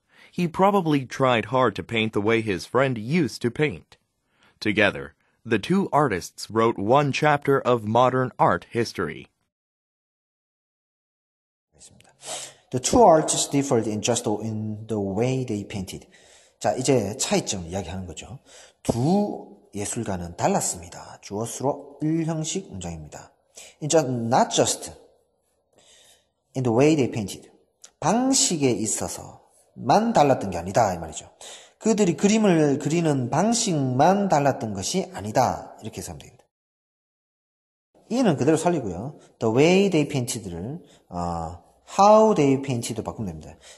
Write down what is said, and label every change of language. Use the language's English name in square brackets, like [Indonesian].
[English] He probably tried hard to paint the way his friend used to paint. Together, the two artists wrote one chapter of modern art history. The two artists differed in just in the way they painted. [Korean] 자, 이제 차이점 이야기하는 거죠. 두 예술가는 달랐습니다. 주어수로 일형식 문장입니다. [English] In just, not just in the way they painted. [Korean] 방식에 있어서만 달랐던 게 아니다 이 말이죠. 그들이 그림을 그리는 방식만 달랐던 것이 아니다. 이렇게 해서 하면 됩니다. 이는 그대로 살리고요. [English] The way they painted [Korean] 를 [English] how they painted [Korean] 도 바꾸면 됩니다.